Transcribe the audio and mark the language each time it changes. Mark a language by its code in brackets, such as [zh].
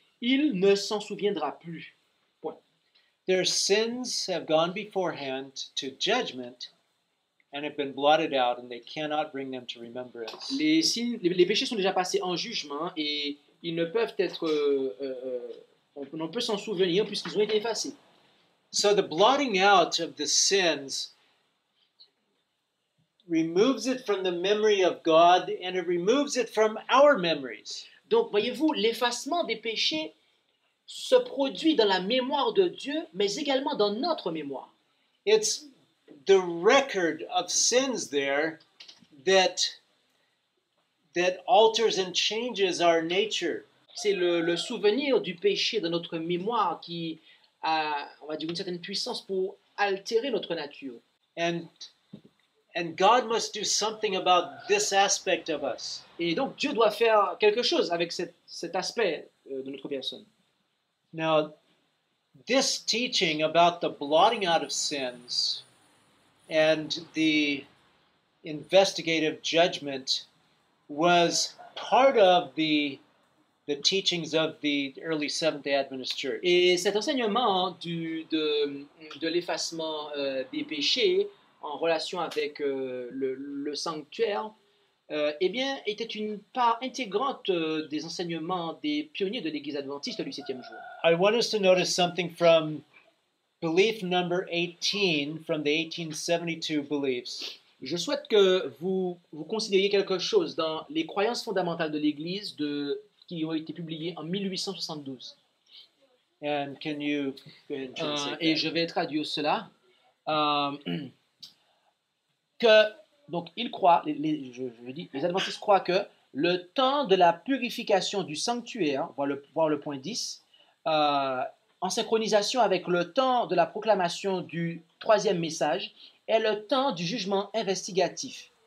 [fr] Il ne s'en souviendra plus. Point. [en] Their sins have gone beforehand to judgment. And have been blotted out, and they cannot bring them to remembrance. [fr] Les péchés sont déjà passés en jugement, et ils ne peuvent être, on peut s'en souvenir puisqu'ils ont été effacés. [en] So the blotting out of the sins removes it from the memory of God, and it removes it from our memories. [fr] Donc voyez-vous, l'effacement des péchés se produit dans la mémoire de Dieu, mais également dans notre mémoire. [en] It's the record of sins there that alters and changes our nature. [fr] C'est le souvenir du péché dans notre mémoire qui a, on va dire, une certaine puissance pour altérer notre nature. [en] And God must do something about this aspect of us. [fr] Et donc Dieu doit faire quelque chose avec cet aspect de notre personne. [en] Now, this teaching about the blotting out of sins and the investigative judgment was part of the teachings of the early Seventh-day Adventist Church. [fr] Et cet enseignement de l'effacement des péchés en relation avec le sanctuaire, eh bien, était une part intégrante des enseignements des pionniers de l'Église adventiste du septième jour. [en] I want us to notice something from belief number 18, from the 1872 beliefs. [fr] Je souhaite que vous considériez quelque chose dans les croyances fondamentales de l'Église qui ont été publiées en 1872. [en] And can you translate that? [fr] Et je vais traduire cela. Que, donc, ils croient, les adventistes croient que le temps de la purification du sanctuaire, voire le point 10, en synchronisation avec le temps de la proclamation du troisième message, est le temps du jugement investigatif.